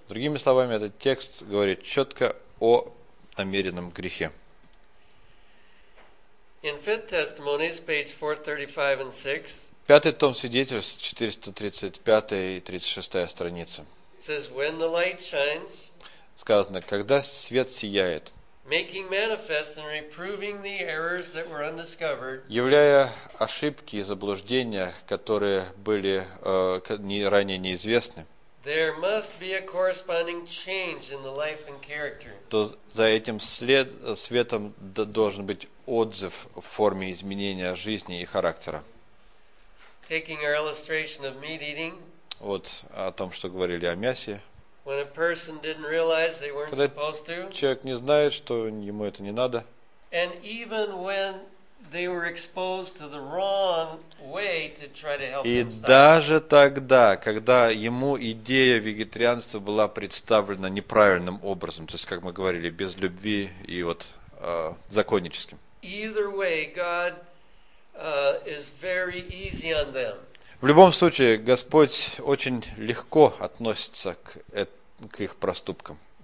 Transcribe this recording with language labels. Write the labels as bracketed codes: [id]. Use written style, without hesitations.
[ru] Другими словами, этот текст говорит четко о намеренном грехе. [en] In Fifth Testimonies, page 435 and 6. [ru] Пятый том свидетельств, 435-36 страница. [en] Says when the light shines. [ru] Сказано, когда свет сияет. [en] Making manifest and reproving the errors that were undiscovered. [ru] Являя ошибки и заблуждения, которые были ранее неизвестны. [en] There must be a corresponding change in the life and character. [ru] То за этим светом должен быть отзыв в форме изменения жизни и характера. [en] Taking our illustration of meat eating. [ru] Вот о том, что говорили о мясе. [en] When a person didn't realize they weren't [ru] Когда [en] supposed to. [ru] Человек не знает, что ему это не надо. [en] And even when they were exposed to the wrong way to try to help them stop. [ru] И даже тогда, когда ему идея вегетарианства была представлена неправильным образом, то есть, как мы говорили, без любви и вот законническим. [en] Either way, God is very easy on them. [ru] В любом случае, Господь очень легко относится к их проступкам.